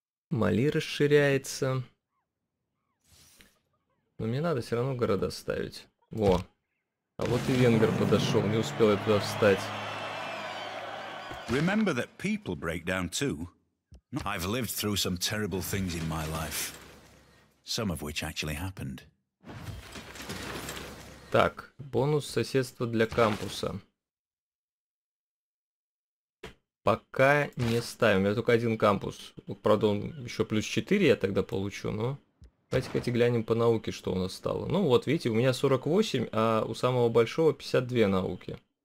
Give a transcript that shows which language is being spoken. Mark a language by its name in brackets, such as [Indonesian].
[Russian] Мали расширяется. Но мне надо все равно города ставить. Во. А вот и венгер подошел, не успел я туда встать. [English] Remember that people break down too. I've lived through some terrible things in my life. Some of which actually happened. [Russian] Так, бонус соседства для кампуса. Пока не ставим. У меня только один кампус. Правда, он еще плюс 4 я тогда получу, но... Давайте-ка глянем по науке, что у нас стало. Ну вот, видите, у меня 48, а у самого большого 52 науки.